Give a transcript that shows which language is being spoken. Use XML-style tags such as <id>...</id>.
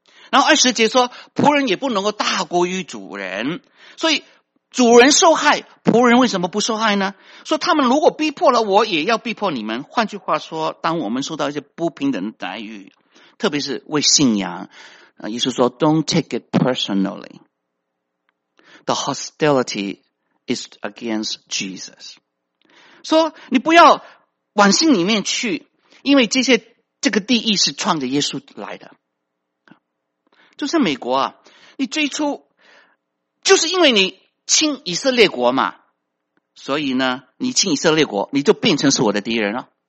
<zh>然后二十节说，仆人也不能够大过于主人。所以主人受害，仆人为什么不受害呢？说他们如果逼迫了我，也要逼迫你们。换句话说，当我们受到一些不平等的待遇，特别是为信仰，耶稣说</zh> <en>Don't take it personally. The hostility is against Jesus.</en> <zh>说你不要往心里面去，因为这个地义是创着耶稣来的。就像美国啊，你最初就是因为你亲以色列国嘛，所以呢你亲以色列国，你就变成是我的敌人了。</zh>